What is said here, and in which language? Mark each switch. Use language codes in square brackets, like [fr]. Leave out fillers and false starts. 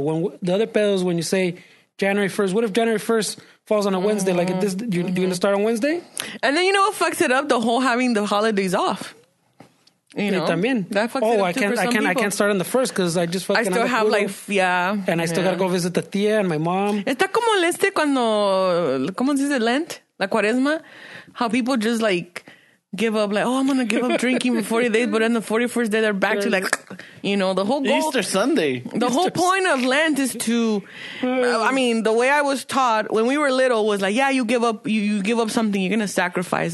[en] When the other pedo is when you say January 1st. What if January 1st falls on a Wednesday? Like this, you're gonna start on Wednesday? And then you know what fucks it up? The whole having the holidays off. You know, [es] también. [en] That fucks it up. Oh, I can't. I can't start on the first because I just fucking. I still have life. Yeah, and I still gotta go visit the tía and my mom. [es] Está como este cuando cómo se dice Lent. La Cuaresma, [en] how people just like give up, like, oh, I'm gonna give up drinking for 40 days, but then the 41st day they're back to like, you know, the whole goal. Easter Sunday. Whole point of Lent is to, I mean, the way I was taught when we were little was like, yeah, you give up something, you're gonna sacrifice.